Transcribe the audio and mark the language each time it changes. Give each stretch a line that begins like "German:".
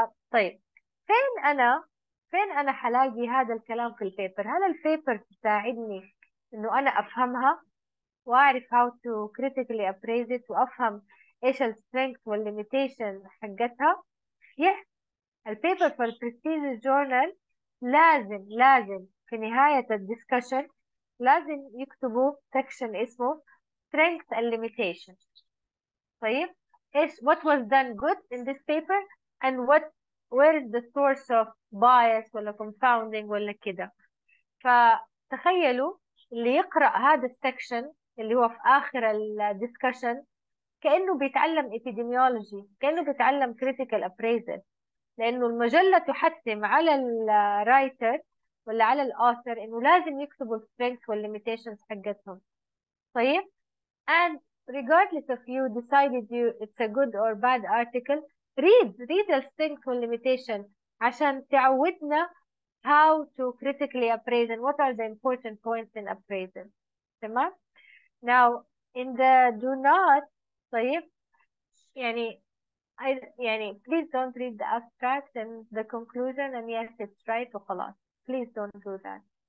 Arabic: طيب فين أنا حلاقي هذا الكلام في البيبر، هل البيبر تساعدني إنه أنا أفهمها وأعرف
English: how to critically appraise it
Arabic: وأفهم إيش ال strength وال limitation حقتها؟ yes ال
English: paper for prestigious journal
Arabic: لازم في نهاية ال discussion لازم يكتبوا section اسمه
English: strength and limitation. طيب إيش what was done good in this paper and what where is the source of bias
Arabic: ولا confounding ولا كده. فتخيلوا اللي يقرأ هذا ال section اللي هو في آخر ال discussion كأنه بيتعلم epidemiology، كأنه بيتعلم critical appraisal، لأنه المجلة تحتم على الـ writer ولا على الـ author إنه لازم يكتبوا الـ strengths والـ limitations حقتهم.
English: طيب and regardless of you decided you it's a good or bad article read the strengths
Arabic: والـ limitations عشان تعودنا
English: how to critically appraise and what are the important points in appraisal. تمام now in the do not
Arabic: طيب يعني
English: please don't read the abstract and the conclusion and yes it's right
Arabic: وخلاص
English: please don't do that.